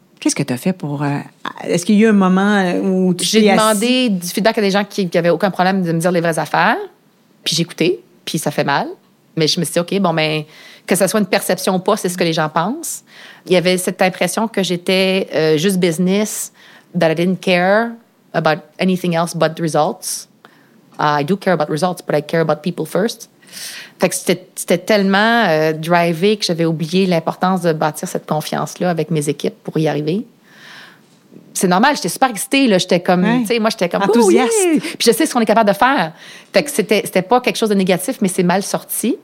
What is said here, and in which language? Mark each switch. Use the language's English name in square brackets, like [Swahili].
[French] Qu'est-ce que tu as fait pour... est-ce qu'il y a eu un moment où tu t'es assis? J'ai demandé du feedback à des gens qui n'avaient aucun problème de me dire les vraies affaires. Puis j'écoutais. Puis ça fait mal. Mais je me suis dit, OK, bon, mais que ce soit une perception ou pas, c'est ce que les gens pensent. Il y avait cette impression que j'étais juste business... [English] that I didn't care about anything else but results. I do care about results, but I care about people first. [French] Fait que c'était tellement drivé que j'avais oublié l'importance de bâtir cette confiance-là avec mes équipes pour y arriver. C'est normal, j'étais super excitée. Là. J'étais comme, tu sais, moi, j'étais comme... enthousiaste. Oui! Puis je sais ce qu'on est capable de faire. Fait que c'était pas quelque chose de négatif, mais c'est mal sorti.